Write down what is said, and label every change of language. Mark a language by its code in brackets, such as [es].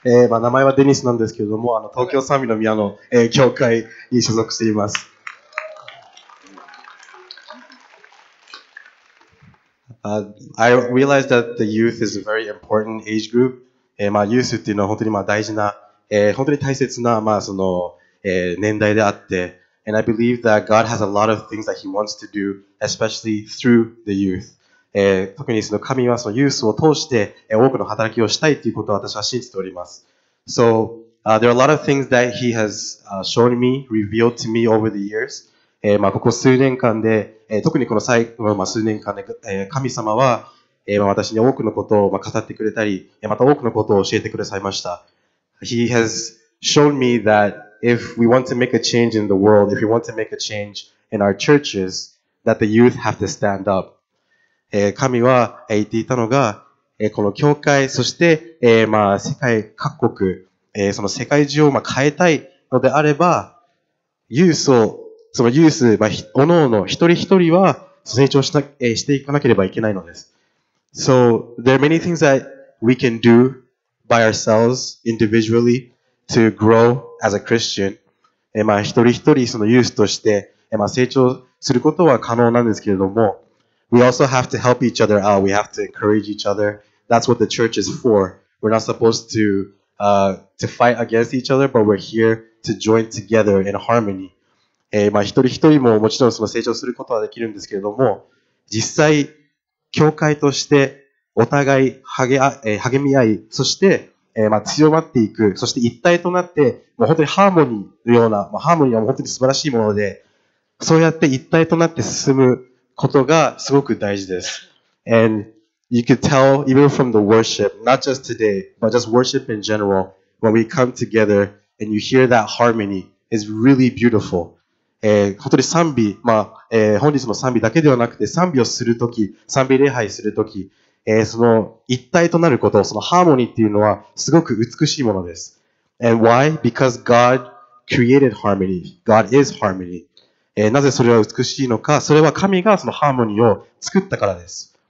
[ja] まあ、名前はデニスなんですけども、東京賛美の宮の、教会に所属しています。 [en] I realize that the youth is a very important age group. [ja] まあ、ユースっていうのは本当にまあ大事な、本当に大切なまあその、年代であって、 [en] And I believe that God has a lot of things that He wants to do, especially through the youth. [ja] 特にその神はそのユースを通して、多くの働きをしたいということを私は信じております。 [en] So, there are a lot of things that He has shown me, revealed to me over the years. [ja] まあ、ここ数年間で、特にこの最後の、まあ、数年間で、神様は、まあ、私に多くのことを、まあ、語ってくれたり、また多くのことを教えてくださいました。 [en] He has shown me that if we want to make a change in the world, if we want to make a change in our churches, that the youth have to stand up. [ja] 神は言っていたのが、この教会、そして、まあ、世界各国、その世界中をまあ変えたいのであれば、ユースをそのユース、まあ、各々一人一人は成長した、していかなければいけないのです。 [en] So, there are many things that we can do by ourselves, individually, to grow as a Christian. [ja] まあ、一人一人そのユースとして、まあ、成長することは可能なんですけれども、 [en] We also have to help each other out. We have to encourage each other. That's what the church is for. We're not supposed to fight against each other, but we're here to join together in harmony. [ja] まあ、一人一人ももちろんその成長することはできるんですけれども、実際、教会としてお互い励み合い、そして、まあ強まっていく、そして一体となって、もう本当にハーモニーのような、まあ、ハーモニーは本当に素晴らしいもので、そうやって一体となって進むことがすごく大事です。 [en] And you could tell even from the worship, not just today, but just worship in general, when we come together and you hear that harmony is really beautiful. [ja] 本当に賛美、まあ本日も賛美だけではなくて賛美をするとき、賛美礼拝するとき、その一体となること、そのハーモニーっていうのはすごく美しいものです。 [en] And why? Because God created harmony. God is harmony. [ja] 、なぜそれは美しいのか、それは神がそのハーモニーを作ったからです。